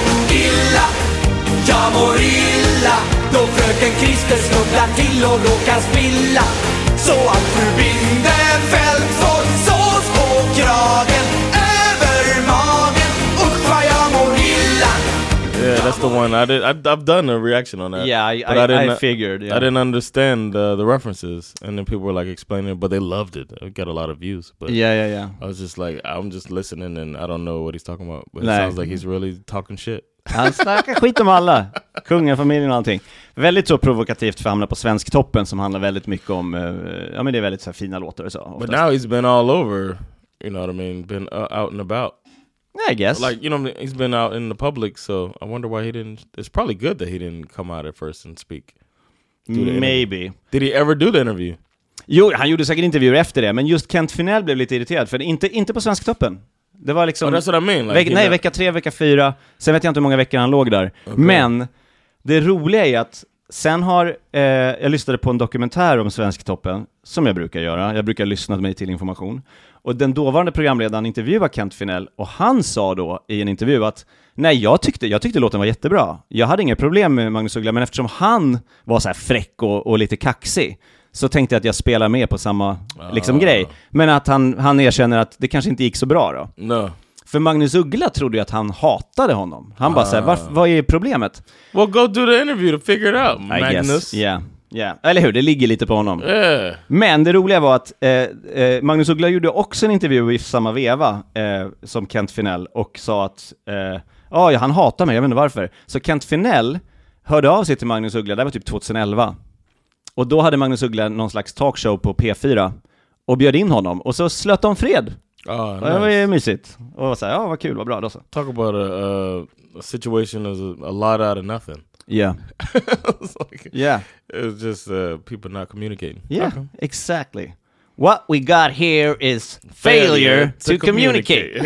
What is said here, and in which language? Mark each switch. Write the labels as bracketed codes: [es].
[sv] Illa, jag mår illa. Då fröken Christer snubblar till och råkar spilla. Så att du binder fält får sås på kragen över magen. Usch vad jag mår illa. [en] Yeah, that's the one. I've done a reaction on that. Yeah, I figured. Yeah. I didn't understand the references, and then people were like explaining it, but they loved it. It got a lot of views. But yeah. I was just like, I'm just listening, and I don't know what he's talking about. But it sounds like he's really talking shit. [sv] Han snackar skit om alla. Kungafamiljen och allting. Väldigt så provokativt för att hamna på Svensktoppen, som handlar väldigt mycket om, ja, men det är väldigt så här fina låtar och så. Oftast. [en] But now he's been all over, you know what I mean? Been out and about. I guess. Like, you know, he's been out in the public, so I wonder why he didn't... It's probably good that he didn't come out at first and speak. Maybe. Did he ever do the interview? [sv] Jo, han gjorde säkert intervjuer efter det, men just Kent Finell blev lite irriterad, för inte på Svensktoppen. Det var liksom... [en] Oh, that's what I mean. Like, [sv] vecka tre, vecka fyra. Sen vet jag inte hur många veckor han låg där. Okay. Men det roliga är att sen har... jag lyssnade på en dokumentär om Svensktoppen, som jag brukar göra. Jag brukar lyssna mig till information. Och den dåvarande programledaren intervjuade Kent Finell, och han sa då i en intervju att nej, jag tyckte låten var jättebra. Jag hade inga problem med Magnus Uggla, men eftersom han var så här fräck och lite kaxig, så tänkte jag att jag spelar med på samma liksom grej. Men att han erkänner att det kanske inte gick så bra då. [en] No. [sv] För Magnus Uggla trodde ju att han hatade honom. Han bara såhär, vad är problemet? [en] Well, go do the interview to figure it out, Magnus. I guess. Yeah. [sv] Ja, yeah. Eller hur, det ligger lite på honom. [en] Yeah. [sv] Men det roliga var att Magnus Uggla gjorde också en intervju i samma veva som Kent Finell, och sa att han hatar mig, jag vet inte varför. Så Kent Finell hörde av sig till Magnus Uggla, det var typ 2011. Och då hade Magnus Uggla någon slags talkshow på P4 och bjöd in honom, och så slöt de fred. [en] Oh, nice. [sv] Det var ju mysigt. Och så här, vad kul, vad bra då så. [en] Talk about a situation is a lot out of nothing. Yeah. It was just people not communicating. Yeah, exactly. What we got here is failure to communicate.